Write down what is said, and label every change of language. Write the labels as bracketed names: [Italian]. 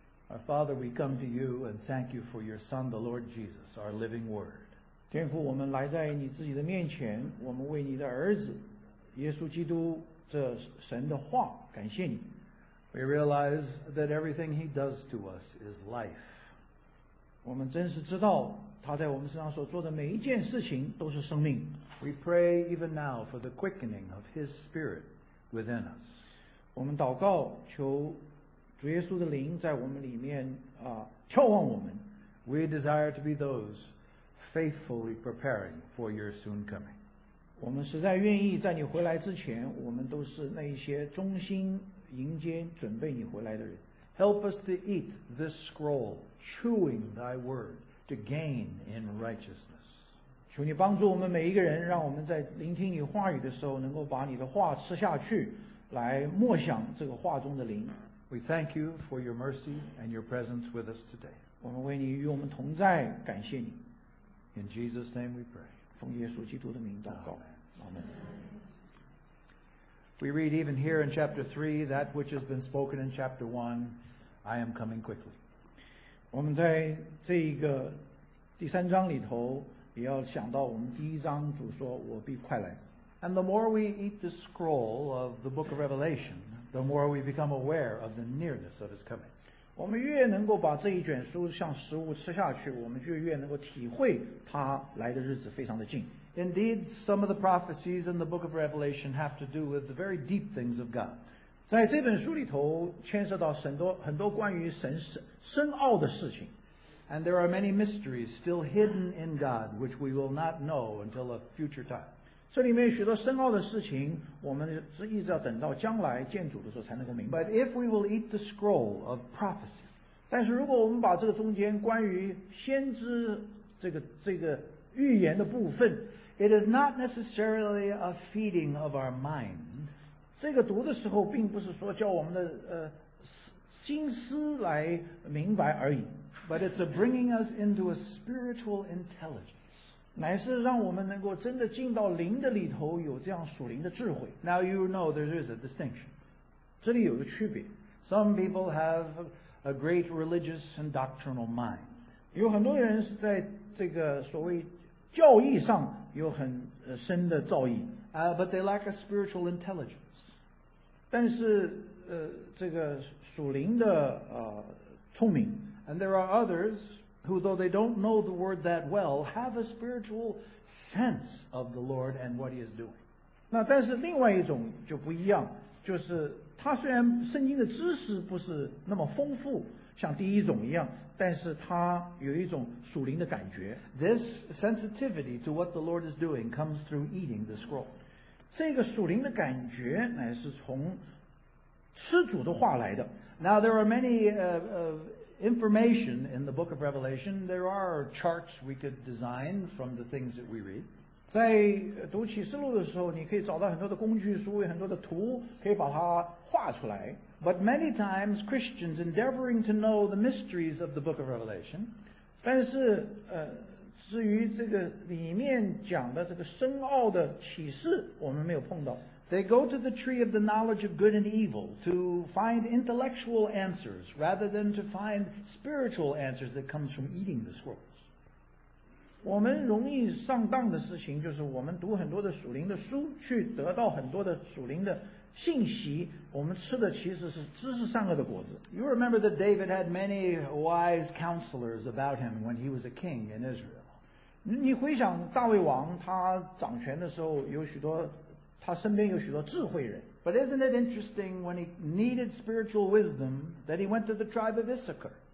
[English] Our Father, we come to you and thank you for your Son, the Lord Jesus, our living Word. [Chinese] 天父，我们来在你自己的面前，我们为你的儿子耶稣基督这神的话感谢你。 [English] We realize that everything he does to us is life. [Chinese] 我们真是知道他在我们身上所做的每一件事情都是生命。 [English] We pray even now for the quickening of his spirit within us. [Chinese] 我们祷告求主耶稣的灵在我们里面眺望我们。 [English] We desire to be those faithfully preparing for your soon coming. [Chinese] 我们实在愿意在你回来之前，我们都是那些忠心迎接准备你回来的人。 [English] Help us to eat this scroll, chewing thy word to gain in righteousness. [Chinese] 求你帮助我们每一个人，让我们在聆听你话语的时候，能够把你的话吃下去，来默想这个话中的灵。 [English] We thank you for your mercy and your presence with us today. [Chinese] 我们为你与我们同在，感谢你。 [English] In Jesus' name we pray. [Chinese] 奉耶稣基督的名祷告。 [English] Amen. We read even here in chapter 3 that which has been spoken in chapter 1, I am coming quickly. [Chinese] 我们在这一个第三章里头也要想到我们第一章主说我必快来。 [English] And the more we eat the scroll of the book of Revelation, the more we become aware of the nearness of his coming. [Chinese] 我们越能够把这一卷书像食物吃下去，我们就越能够体会他来的日子非常的近。 [English] Indeed, some of the prophecies in the book of Revelation have to do with the very deep things of God. [Chinese] 在这本书里头牵涉到很多关于神深奥的事情。 [English] And there are many mysteries still hidden in God, which we will not know until a future time. [Chinese] 这里面许多深奥的事情，我们是一直要等到将来见主的时候才能够明白。 [English] But if we will eat the scroll of prophecy, [Chinese] 但是如果我们把这个中间关于先知这个预言的部分 [English] ，it is not necessarily a feeding of our mind. [Chinese] 这个读的时候，并不是说叫我们的心思来明白而已。 [English] But it's a bringing us into a spiritual intelligence. [Chinese] 乃是让我们能够真的进到灵的里头，有这样属灵的智慧。 [English] Now you know there is a distinction. [Chinese] 这里有个区别。 [English] Some people have a great religious and doctrinal mind. [Chinese] 有很多人是在这个所谓教义上有很深的造诣。 [English] But they lack a spiritual intelligence. [Chinese] 但是这个属灵的聪明。 [English] And there are others who, though they don't know the word that well, have a spiritual sense of the Lord and what he is doing. [Chinese] 那但是另外一种就不一样，就是他虽然圣经的知识不是那么丰富，像第一种一样，但是他有一种属灵的感觉。 [English] This sensitivity to what the Lord is doing comes through eating the scroll. [Chinese] 这个属灵的感觉乃是从吃主的话来的。 [English] Now there are many information in the book of Revelation. There are charts we could design from the things that we read. [Chinese] 在读启示录的时候，你可以找到很多的工具书，很多的图，可以把它画出来。 [English] But many times Christians endeavoring to know the mysteries of the book of Revelation, [Chinese] 但是至于这个里面讲的这个深奥的启示，我们没有碰到。 [English] They go to the tree of the knowledge of good and evil to find intellectual answers rather than to find spiritual answers that comes from eating the scrolls. [Chinese] 我们容易上当的事情就是我们读很多的属灵的书去得到很多的属灵的信息，我们吃的其实是知识善恶的果子。 [English] You remember that David had many wise counselors about him when he was a king in Israel. [Chinese] 你回想大卫王他掌权的时候有许多他身边有许多智慧人。 [English] But isn't it interesting when he needed spiritual wisdom that he went to the tribe of Issachar?